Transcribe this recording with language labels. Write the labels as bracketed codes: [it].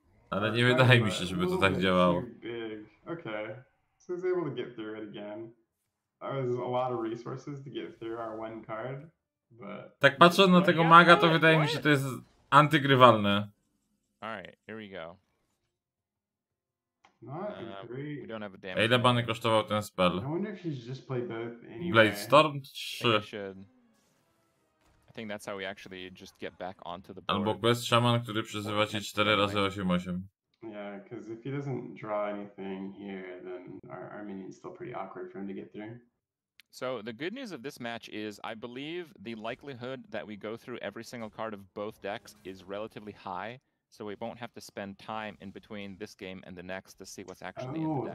[pl] Ale nie wydaje mi się, żeby to tak działało. [en] Big. Okay, so he's able to get through it again. That was a lot of resources to get through our one card, but. [pl] Tak patrząc na tego maga, to wydaje mi się, to jest antygrywalne. [en] All right, here we go. Not great. [pl] Ile bany kosztował ten spell? [en] I wonder if he's just played both anyway. Blade Storm 3. I think that's how we actually just get back onto the board. [pl] Albo quest shaman, który przyzywa ci 4 razy 8-8. [en] Yeah, because if he doesn't draw anything here, then our minion's still pretty awkward for him to get through. So the good news of this match is, I believe the likelihood that we go through every single card of both decks is relatively high, so we won't have to spend time in between this game and the next to see what's actually in the deck.